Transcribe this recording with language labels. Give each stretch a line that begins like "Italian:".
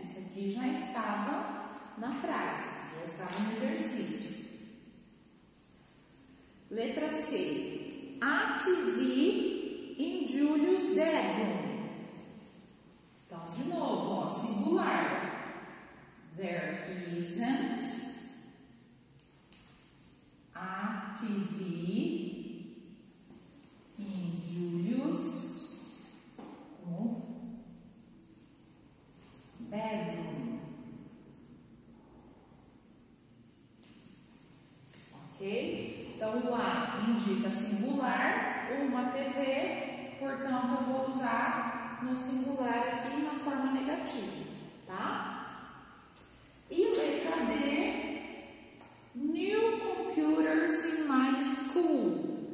Portuguese: Isso aqui já estava na frase, já estava no exercício. Letra C.
English: A TV in Julius bedroom.
Portuguese: Então, de novo, ó, singular.
English: There isn't a TV in Julius bedroom. Ok?
Portuguese: Então, o A indica singular, uma TV, portanto, eu vou usar no singular aqui na forma negativa, tá? E letra D,
English: new computers in my school.